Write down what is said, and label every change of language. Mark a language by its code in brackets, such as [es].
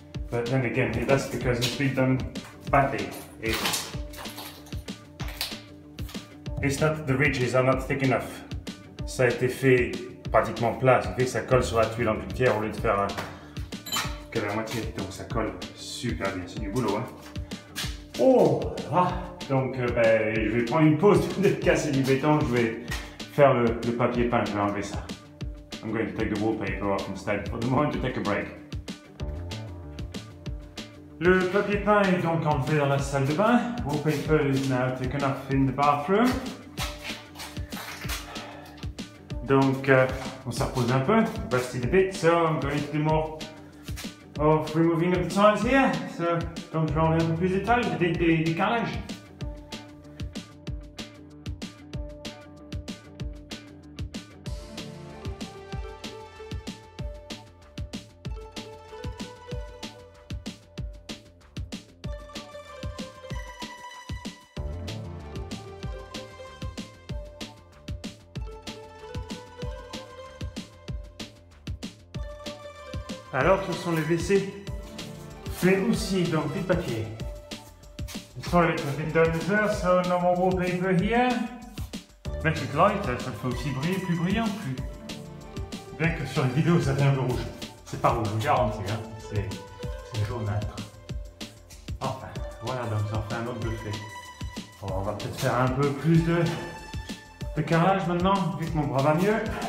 [en] But then again, that's because it's been done badly. It's not the ridges are not thick enough. [fr] Ça a été fait pratiquement plat, ça fait que ça colle sur la tuile en gouttière au lieu de faire que la moitié. Donc ça colle super bien, c'est du boulot, hein. Oh, ah, donc je vais prendre une pause de casser du béton, je vais faire le papier peint, je vais enlever ça. [en] I'm going to take the wallpaper off instead for the moment to take a break. [fr] Le papier peint est donc enlevé dans la salle de bain. [en] Wallpaper is now taken off in the bathroom. [fr] Donc, on s'est reposé un peu, [en] rested a bit, so I'm going to do more of removing of the tiles here. [fr] So, donc je vais enlever un peu plus de tiles, des carrelages. Alors, ce sont les WC faits aussi, donc du papier. [en] Sorry, it's been done as well, so no more wallpaper here. Make it lighter, [fr] ça fait aussi briller, plus brillant, plus. Bien que sur les vidéos, ça fait un peu rouge. C'est pas rouge, je vous garantis, hein. C'est jaunâtre. Enfin, voilà, donc ça en fait un autre bleu fait. Bon, on va peut-être faire un peu plus de carrelage maintenant, vu que mon bras va mieux.